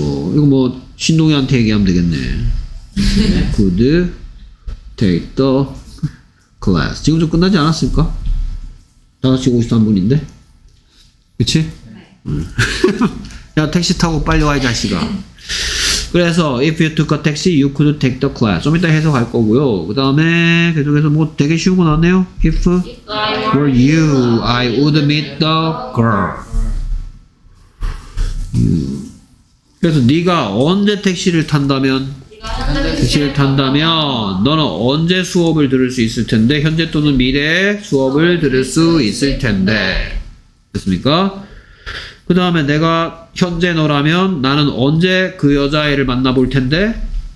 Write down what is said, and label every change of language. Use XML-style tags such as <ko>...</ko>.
<ko>이거 뭐 신동이한테 얘기하면 되겠네.</ko> <en>could take the class.</en> <ko>지금 좀 끝나지 않았을까? 5시 53분인데? 그치? 네. 야, 택시 타고 빨리 와, 이 자식아. 그래서,</ko> <en>if you took a taxi, you could take the class.</en> <ko>좀 이따 해석할 거고요. 그 다음에, 계속해서 뭐 되게 쉬운 건 없네요.</ko> <en>If were you, I would meet the girl. You.</en> <ko>그래서 네가 언제 택시를 탄다면? 택시를 탄다면 너는 언제 수업을 들을 수 있을 텐데? 현재 또는 미래에 수업을 들을 수 있을 텐데. 됐습니까? 그 다음에 내가 현재 너라면 나는 언제 그 여자애를 만나볼 텐데?</ko>